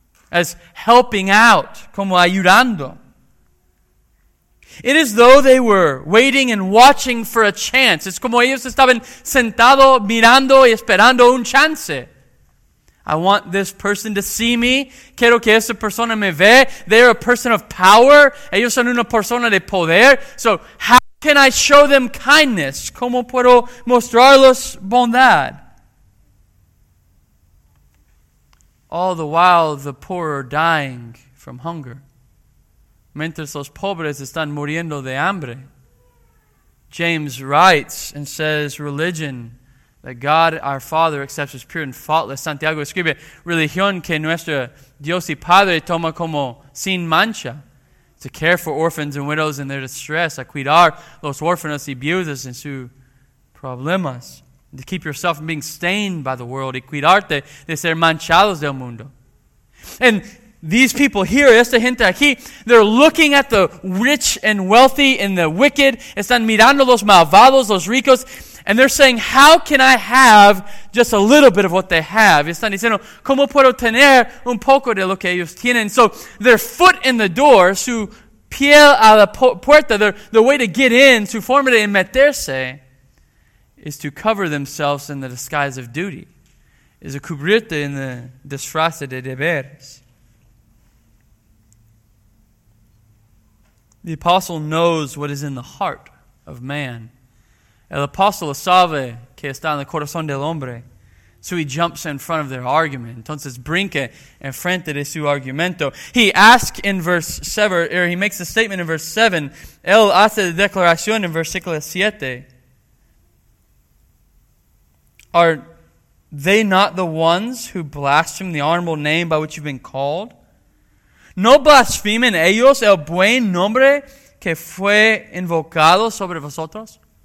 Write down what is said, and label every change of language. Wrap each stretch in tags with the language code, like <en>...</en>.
<en>As helping out,</en> <es>como ayudando.</es> <en>It is though they were waiting and watching for a chance.</en> <es>Es como ellos estaban sentados mirando y esperando un chance.</es> <en>I want this person to see me.</en> <es>Quiero que esa persona me ve.</es> <en>They are a person of power.</en> <es>Ellos son una persona de poder.</es> <en>So how can I show them kindness?</en> <es>¿Cómo puedo mostrarles bondad?</es> <en>All the while the poor are dying from hunger.</en> <es>Mientras los pobres están muriendo de hambre.</es> <en>James writes and says, religion that God our Father accepts as pure and faultless.</en> <es>Santiago escribe, religión que nuestro Dios y Padre toma como sin mancha.</es> <en>To care for orphans and widows in their distress.</en> <es>A cuidar los órfanos y viudas en sus problemas.</es> <en>And to keep yourself from being stained by the world.</en> <es>Y cuidarte de ser manchados del mundo.</es> <en>And these people here,</en> <es>esta gente aquí,</es> <en>they're looking at the rich and wealthy and the wicked.</en> <es>Están mirando los malvados, los ricos.</es> <en>And they're saying, how can I have just a little bit of what they have?</en> <es>Están diciendo, ¿cómo puedo tener un poco de lo que ellos tienen?</es> <en>So their foot in the door,</en> <es>su pie a la puerta,</es> <en>their way to get in,</en> <es>su forma de meterse,</es> <en>is to cover themselves in the disguise of duty,</en> <es>is a cubrirte en el disfraz de deberes.</es> <en>The apostle knows what is in the heart of man.</en> <es>El apóstol sabe que está en el corazón del hombre.</es> <en>So he jumps in front of their argument.</en> <es>Entonces brinca en frente de su argumento.</es> <en>He asks in verse 7, or he makes a statement in verse 7.</en> <es>Él hace la declaración en versículo 7.</es> <en>Are they not the ones who blaspheme the honorable name by which you've been called?</en> <es>¿No blasfemen ellos el buen nombre que fue invocado sobre vosotros?</es>